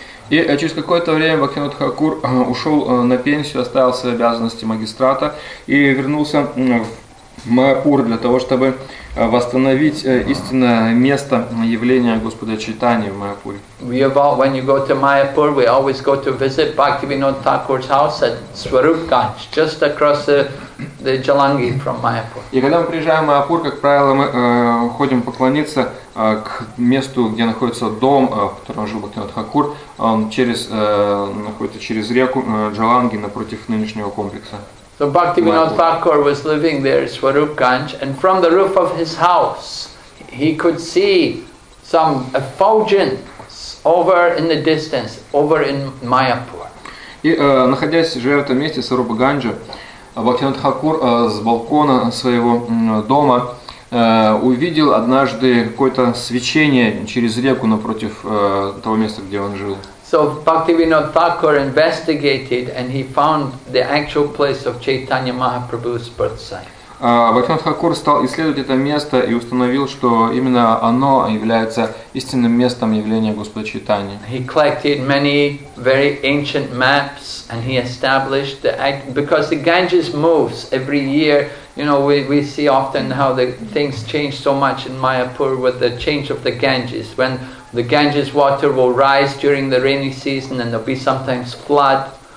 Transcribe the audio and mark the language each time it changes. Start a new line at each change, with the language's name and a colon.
Russian: И через какое-то время Бхактивинода Тхакур ушел на пенсию, оставил свои обязанности магистрата и вернулся в Майапур для того, чтобы восстановить истинное место явления Господа Чайтаньи в Майапуре.
English: We about when you go to Mayapur, we always go to visit Bhaktivinoda Thakur's house at Swarup Ganj, just across the Jalangi from Mayapur.
Russian: И когда мы приезжаем в Майапур, как правило, мы ходим поклониться к месту, где находится дом, в котором жил Бхактивинода Тхакур. Он находится через реку Джаланги напротив нынешнего комплекса.
English: So Bhaktivinoda Thakur was living there in Swarup Ganj, and from the roof of his house, he could see some effulgence over in the distance, over in Mayapur.
Russian: И находясь живя в этом месте Swarup Ganja, Бхактивинода Тхакур с балкона своего дома увидел однажды какое-то свечение через реку напротив того места, где он жил.
English: So Bhaktivinoda Thakur investigated and he found the actual place of Chaitanya Mahaprabhu's birth site.
Russian: Бхактивинода Тхакур стал исследовать это место и установил, что именно оно является истинным местом явления Господа Чайтаньи.
English: He collected many very ancient maps and he established because the Ganges moves every year. You know, we see often how the things change so much in Mayapur with the change of the Ganges. When the Ganges water will rise during the rainy season and there'll be sometimes flood.